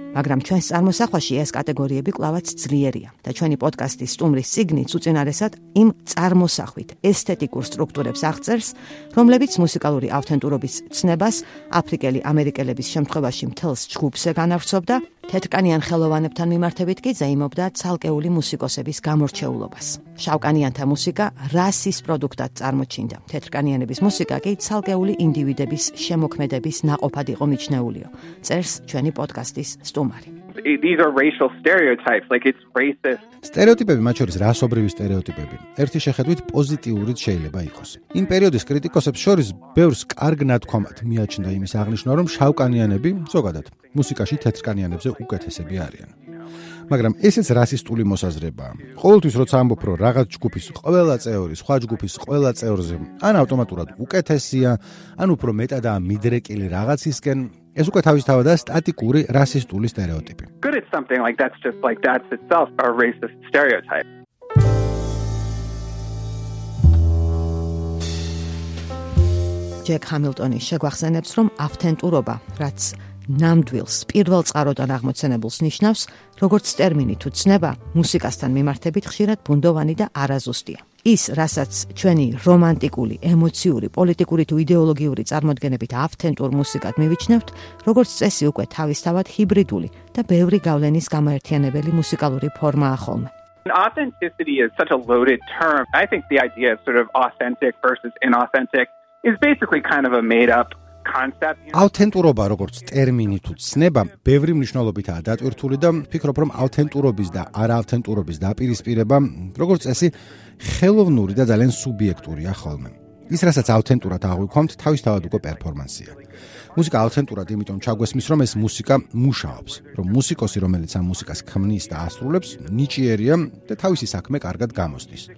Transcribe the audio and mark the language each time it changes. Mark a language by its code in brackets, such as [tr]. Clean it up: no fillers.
[ka] მაგრამ ჩვენს წარმოსახვაში ეს კატეგორიები კლავაც ძლიერია და ჩვენი პოდკასტის სტუმრის სიგნი უწინარესად იმ წარმოსახვით ესთეტიკურ სტრუქტურებს აღწერს, რომლებიც მუსიკალური ავთენტურობის ცნებას აფრიკელი ამერიკელების შემთხვევაში მთელს ჯგუფზე განავრცობდა, თეთრკანიან ხელოვანებთან მიმართებით კი ზეიმობდა ცალკეული მუსიკოსების გამორჩეულობას. შავკანიანთა მუსიკა რასის პროდუქტად წარმოჩინდა, თეთრკანიანების მუსიკა კი ცალკეული ინდივიდების შემოქმედების ნაყოფად იყო მიჩნეულიო, წერს ჩვენი პოდკასტის სტუმარი. [en] These are racial stereotypes, like it's racist. [ka] Stereotypები, მათ შორის რასობრივი სტერეოტიპები, ერთი შეხედვით პოზიტიურიც შეიძლება იყოს. იმ პერიოდის კრიტიკოსებს შორის ბევრს კარგ ნათქვამად მიაჩნდა იმის აღნიშვნა, რომ შავკანიანები, ზოგადად, მუსიკაში თეთრკანიანებზე უკეთესები არიან. მაგრამ ესეც რასისტული მოსაზრებაა. ყოველთვის როცა ამბობ, რომ რაღაც ჯგუფის ყველა წევრი სხვა ჯგუფის ყველა წევრზე ან ავტომატურად უკეთესია, ან უფრო მეტადა მიდრეკილი რაღაცისკენ, ეს უკვე თავისთავადაა სტატიკური რასისტული სტერეოტიპი. [en] Good it's something like that's just like that's itself a racist stereotype. [ka] ჯეკ ჰამილტონი შეგვახსენებს, რომ ავთენტურობა, რაც ნამდვილს პირველ წყაროდან აღმოცენებულს ნიშნავს, როგორც ტერმინი თუ ცნება, მუსიკასთან მიმართებით ხშირად ბუნდოვანი და არაზუსტია. ის, რასაც ჩვენი რომანტიკული, ემოციური, პოლიტიკური თუ იდეოლოგიური წარმოდგენებით ავთენტურ მუსიკად მივიჩნევთ, როგორც წესი უკვე თავისთავად ჰიბრიდული და ბევრი გავლენის გამაერთიანებელი მუსიკალური ფორმაა ხოლმე. [en] Authenticity is such a loaded term. I think the idea of sort of authentic versus inauthentic is basically kind of a made up [ka] ავთენტურობა, როგორც ტერმინი თუ ცნება, ბევრი მნიშვნელობითაა დატვირთული და ვფიქრობ, რომ ავთენტურობის და არაავთენტურობის დაპირისპირება, როგორც წესი, ხელოვნური და ძალიან სუბიექტურია ხოლმე. ის, რასაც ავთენტურად აღვიქვამთ, თავისთავად უკვე პერფორმანსია. მუსიკა ავთენტურად იმიტომ ჩაგვესმის, რომ ეს მუსიკა მუშაობს, რომ მუსიკოსი, რომელიც ამ მუსიკას ქმნის და ასრულებს, ნიჭიერია და თავისი საქმე კარგად გამოსდის.